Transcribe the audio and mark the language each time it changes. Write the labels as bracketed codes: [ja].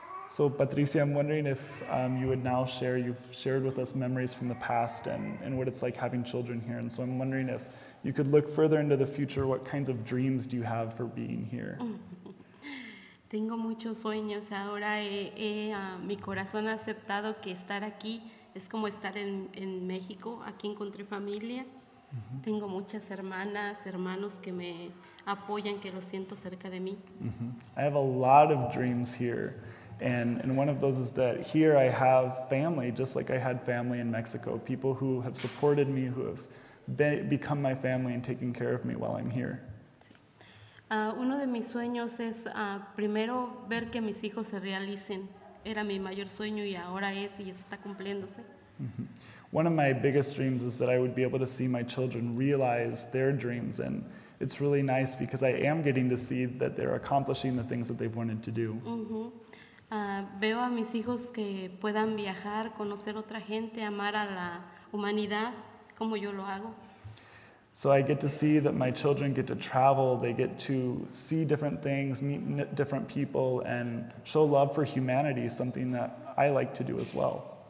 [en] So, Patricia, I'm wondering if you would now share, you've shared with us memories from the past and what it's like having children here. And so I'm wondering if you could look further into the future, what kinds of dreams do you have for being here? [es] Tengo muchos sueños. Ahora mi corazón ha aceptado que estar aquí es como estar en México. Aquí encontré familia. Uh-huh. Tengo muchas hermanas, hermanos que me apoyan, que lo siento cerca de mí. [en] Uh-huh. I have a lot of dreams here. And one of those is that here I have family, just like I had family in Mexico, people who have supported me, who have become my family and taken care of me while I'm here. [es] Uno de mis sueños es primero ver que mis hijos se realicen. Era mi mayor sueño y ahora es y está cumpliéndose. [en] One of my biggest dreams is that I would be able to see my children realize their dreams, and it's really nice because I am getting to see that they're accomplishing the things that they've wanted to do. [es] Veo a mis hijos que puedan viajar, conocer otra gente, amar a la humanidad, como yo lo hago. [en] So I get to see that my children get to travel, they get to see different things, meet different people, and show love for humanity, something that I like to do as well.